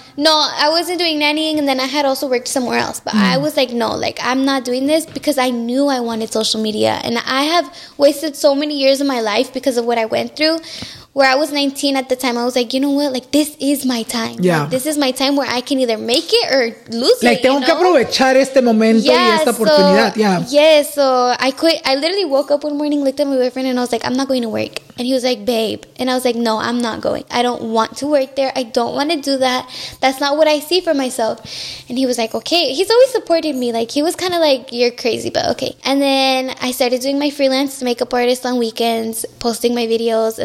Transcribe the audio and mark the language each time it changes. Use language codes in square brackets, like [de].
[en] No, I wasn't doing nannying, and then I had also worked somewhere else. But I was like, no, like, I'm not doing this because I knew I wanted social media. And I have wasted so many years of my life because of what I went through. Where I was 19 at the time, I was like, you know what? Like, this is my time. Yeah. Like, this is my time where I can either make it or lose it. [es] Like, tengo que aprovechar este momento y esta oportunidad. [en] Yeah. Yeah, so I quit. I literally woke up one morning, looked at my boyfriend, and I was like, I'm not going to work. And he was like, babe. And I was like, no, I'm not going. I don't want to work there. I don't want to do that. That's not what I see for myself. And he was like, okay. He's always supported me. Like, he was kind of like, you're crazy, but okay. And then I started doing my freelance makeup artist on weekends, posting my videos.